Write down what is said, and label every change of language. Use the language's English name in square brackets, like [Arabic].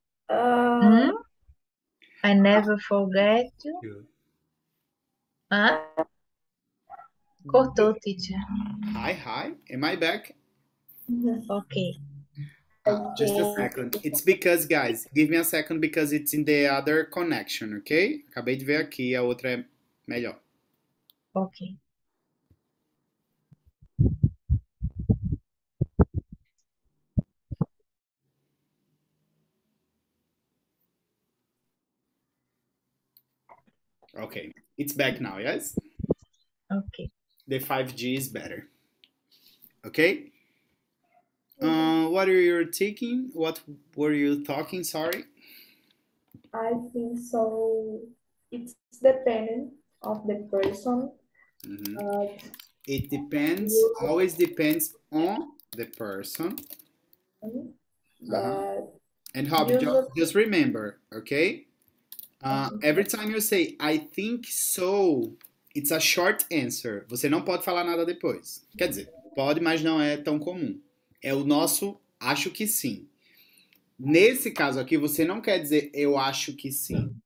[English] I never forget you. [Portuguese] Cortou, teacher. [English] Hi. Am I back? Okay. Just a second. It's because, guys, give me a second because it's in the other connection, okay? [Portuguese] Acabei de ver aqui, a outra é melhor. [English] Okay. Okay, it's back now, yes? Okay. The 5G is better. Okay? What are you thinking? What were you talking, sorry? I think so. It's dependent of the person. It depends, always depends on the person. And Hobby, just remember, okay? Every time you say, I think so, it's a short answer. [Portuguese] Você não pode falar nada depois. Quer dizer, pode, mas não é tão comum. É o nosso, acho que sim. Nesse caso aqui, você não quer dizer, eu acho que sim.